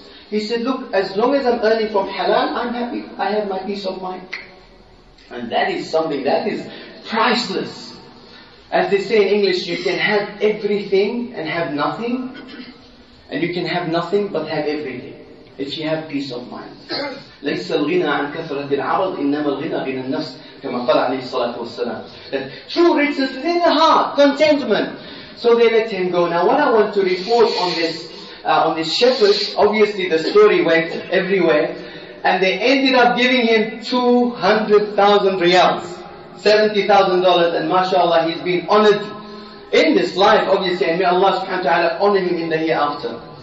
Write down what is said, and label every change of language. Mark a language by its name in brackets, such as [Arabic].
[English] He said, look, as long as I'm earning from halal, I'm happy. I have my peace of mind. And that is something that is priceless. As they say in English, you can have everything and have nothing. And you can have nothing but have everything. If you have peace of mind. [Arabic] ليس الغنى عن كثرة العرض إنما الغنى غنى النفس كما قال عليه الصلاة والسلام. [English] True riches within the heart, contentment. So they let him go. Now what I want to report on this shepherd, obviously the story went everywhere. And they ended up giving him 200,000 riyals. $70,000, and mashallah, he's been honored in this life, obviously, and may Allah subhanahu wa ta'ala honor him in the hereafter.